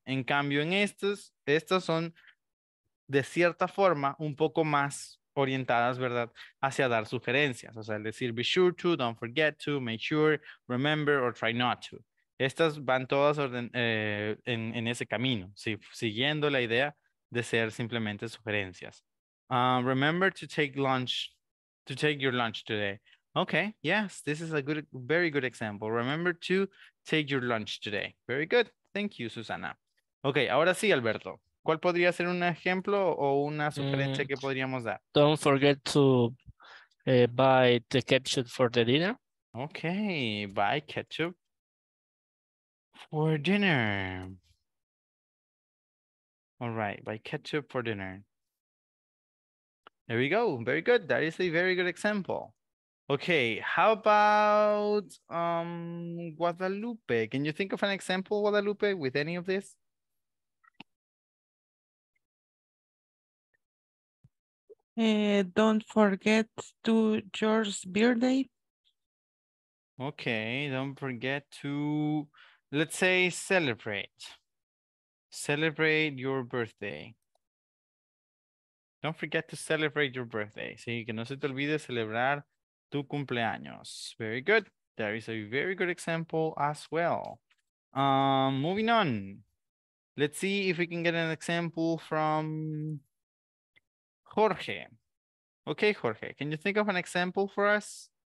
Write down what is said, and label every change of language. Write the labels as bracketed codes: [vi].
[es] En cambio, en estos son, de cierta forma, un poco más orientadas, ¿verdad?, hacia dar sugerencias. O sea, el decir [en] be sure to, don't forget to, make sure, remember, or try not to. [es] Estas van todas en ese camino, ¿sí?, siguiendo la idea de ser simplemente sugerencias. [en] Remember to take lunch, to take your lunch today. Okay, yes, this is a good, very good example. Remember to take your lunch today. Very good. Thank you, Susana. [es] Okay, ahora sí, Alberto. ¿Cuál podría ser un ejemplo o una sugerencia que podríamos dar? [en] Don't forget to buy the ketchup for the dinner. Okay, buy ketchup for dinner. All right, buy ketchup for dinner. There we go. Very good. That is a very good example. Okay, how about Guadalupe? Can you think of an example, Guadalupe, with any of this? Don't forget to George's birthday. Okay, don't forget to, let's say, celebrate. Celebrate your birthday. Don't forget to celebrate your birthday. [es] Sí, que no se te olvide celebrar tu cumpleaños. [en] Very good. There is a very good example as well. Moving on. Let's see if we can get an example from Jorge. Okay, Jorge, can you think of an example for us?